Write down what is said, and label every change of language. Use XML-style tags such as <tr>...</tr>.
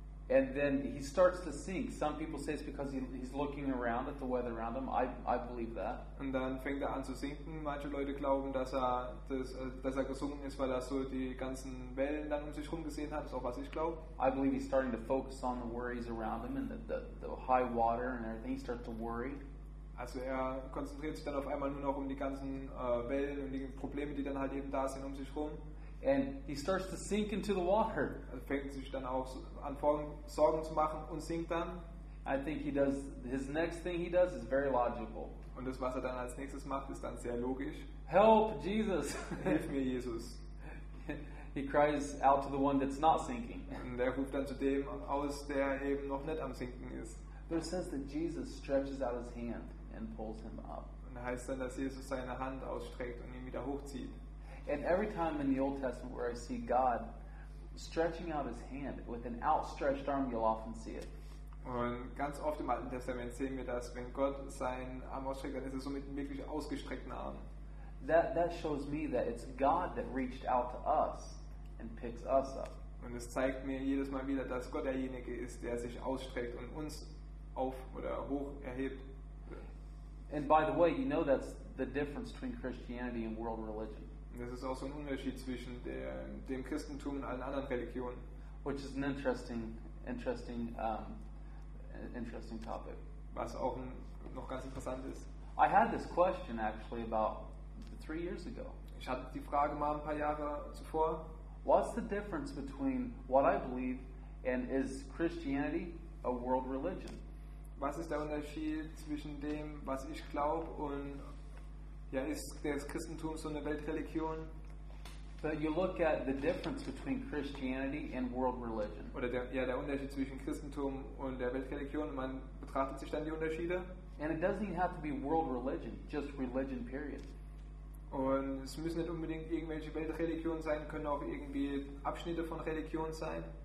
<en>And then he starts to sink. Some people say it's because he's looking around at the weather around him. I believe that.</en> <de>Und dann fängt er an zu sinken. Manche Leute glauben, dass er gesunken ist, weil er so die ganzen Wellen dann um sich herum gesehen hat. Das ist auch was ich glaube.</de> <en>I believe he's starting to focus on the worries around him and the high water and everything. He starts to worry.</en> <de>Also er konzentriert sich dann auf einmal nur noch um die ganzen Wellen und die Probleme, die dann halt eben da sind um sich herum.</de> <en>And he starts to sink into the water.</en> <de>Er fängt sich dann auch an, Sorgen zu machen und sinkt dann.</de> <en>I think he does, his next thing he does is very logical.</en> <de>Und das, was er dann als nächstes macht, ist dann sehr logisch.</de> <en>Help, Jesus!</en> <de>Hilf mir, Jesus!</de> <en>He cries out to the one that's not sinking.</en> <de>Und er ruft dann zu dem aus, der eben noch nicht am Sinken ist.</de> <en>But it says that Jesus stretches out his hand and pulls him up.</en> <de>Und da heißt dann, dass Jesus seine Hand ausstreckt und ihn wieder hochzieht.</de> <en>And every time in the Old Testament where I see God stretching out his hand with an outstretched arm, you'll often see it.</en> <de>Und ganz oft im Alten Testament sehen wir das, wenn Gott seinen Arm ausstreckt, dann ist es so mit einem wirklich ausgestreckten Arm.</de> <en>That shows me that it's God that reached out to us and picks us up.</en> <de>Und es zeigt mir jedes Mal wieder, dass Gott derjenige ist, der sich ausstreckt und uns auf oder hoch erhebt.</de> <en>And by the way, you know that's the difference between Christianity and world religion.</en> <de>Das ist auch so ein Unterschied zwischen dem Christentum und allen anderen Religionen.</de> <en>Which is an interesting topic.</en> <de>Was auch noch ganz interessant ist.</de> <en>I had this question actually about 3 years ago.</en> <de>Ich hatte die Frage mal ein paar Jahre zuvor.</de> <en>What's the difference between what I believe and is Christianity a world religion?</en> <de>Was ist der Unterschied zwischen dem, was ich glaube und ja, ist das Christentum so eine Weltreligion?</de> <en>But you look at the difference between Christianity and world religion.</en> <de>Oder der Unterschied zwischen Christentum und der Weltreligion. Man betrachtet sich dann die Unterschiede.</de> <en>And it doesn't even have to be world religion, just religion period.</en> <de>Und es müssen nicht unbedingt irgendwelche Weltreligionen sein, können auch irgendwie Abschnitte von Religion sein.</de>